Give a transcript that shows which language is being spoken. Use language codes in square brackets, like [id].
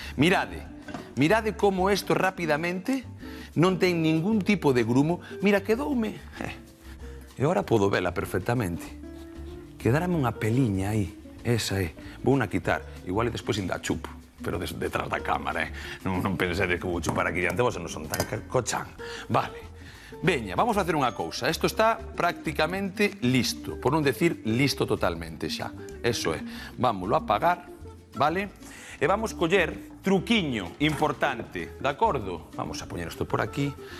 [gl] Mirade como isto rapidamente non ten ningún tipo de grumo. Mira, quedoume. E agora podo vela perfectamente. Quedarame unha peliña aí. Esa é. Vou na quitar. Igual e despois inda chupo. Pero detrás da cámara, eh? Non pensedes que vou chupar aquí diante vos, non son tan cochán. Vale. Veña, vamos a hacer unha cousa. Isto está prácticamente listo. Por non decir listo totalmente xa. Eso é. Vámoslo a apagar. ¿vale? E vamos coller truquiño importante, [es] ¿de acuerdo? Vamos a poner esto por aquí.